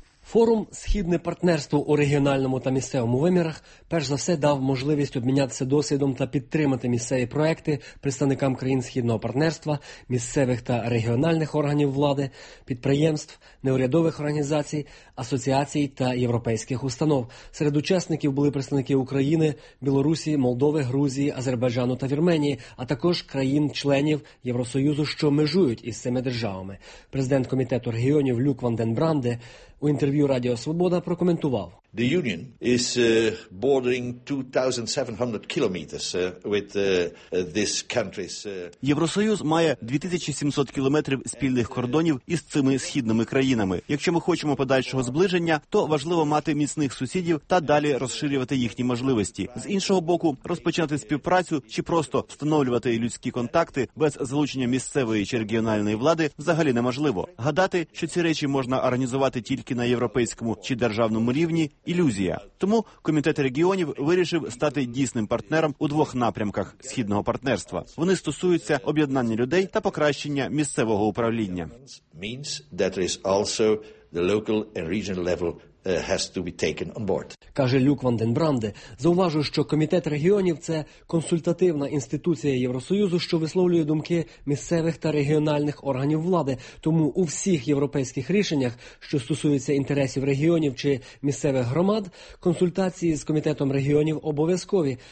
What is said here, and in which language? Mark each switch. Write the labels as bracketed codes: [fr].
[uk] Форум «Східне партнерство у регіональному та місцевому вимірах» перш за все дав можливість обмінятися досвідом та підтримати місцеві проекти представникам країн Східного партнерства, місцевих та регіональних органів влади, підприємств, неурядових організацій, асоціацій та європейських установ. Серед учасників були представники України, Білорусі, Молдови, Грузії, Азербайджану та Вірменії, а також країн-членів Євросоюзу, що межують із цими державами. Президент Комітету регіонів Люк ван ден Бранде у інтерв'ю Радіо Свобода прокоментував. [en] The union is bordering 2700 kilometers with this countries. [uk] Євросоюз має 2700 кілометрів спільних кордонів із цими східними країнами. Якщо ми хочемо подальшого зближення, то важливо мати міцних сусідів та далі розширювати їхні можливості. З іншого боку, розпочати співпрацю чи просто встановлювати людські контакти без залучення місцевої чи регіональної влади взагалі неможливо. Гадати, що ці речі можна організувати тільки на європейському чи державному рівні, ілюзія. Тому Комітет регіонів вирішив стати дійсним партнером у двох напрямках східного партнерства. Вони стосуються об'єднання людей та покращення місцевого управління. [en] Means that is also the local and regional level has to be taken on board. [uk] Каже Люк ван ден Бранде. Зауважу, що Комітет регіонів – це консультативна інституція Євросоюзу, що висловлює думки місцевих та регіональних органів влади. Тому у всіх європейських рішеннях, що стосуються інтересів регіонів чи місцевих громад, консультації з Комітетом регіонів обов'язкові.